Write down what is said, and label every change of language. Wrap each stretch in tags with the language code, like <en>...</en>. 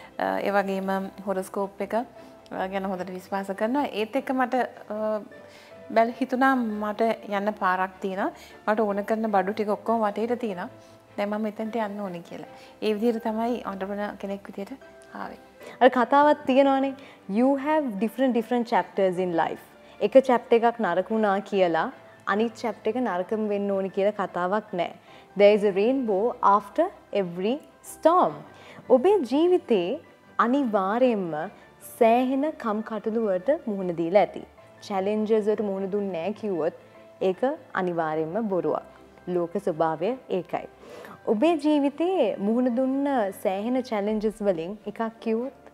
<si>ඒ වගේම හොරොස්කෝප් එක ගැන හොඳට විශ්වාස කරනවා. ඒත් එක්ක මට බැල හිතුණා මට යන්න පාරක් තියෙනවා. මට ඕන කරන බඩු ටික ඔක්කොම වටේට තියෙනවා. දැන් මම මෙතෙන්ට යන්න ඕනේ කියලා. ඒ විදිහට තමයි ඔන්ටර්ප්‍රනර් කෙනෙක් විදිහට ආවේ. අර කතාවක් තියෙනවානේ.</si> <en>You have different chapters in life.</en> <si>එක chapter එකක් නරකුණා කියලා අනිත් chapter එක නරකම වෙන්න ඕනේ කියලා කතාවක් නැහැ.</si> <en>There is a rainbow after every storm.</en> <si>ඔබේ ජීවිතේ අනිවාර්යයෙන්ම සෑහෙන කම්කටොළු වලට මුහුණ දීලා ඇති. චැලෙන්ජර්ස් වලට මුහුණ දුන්නේ නැහැ කිව්වොත් ඒක අනිවාර්යයෙන්ම බොරුවක්. ලෝක ස්වභාවය ඒකයි. ඔබේ ජීවිතේ මුහුණ දුන්න සෑහෙන චැලෙන්ජස් වලින් එකක් කිව්වොත්</si>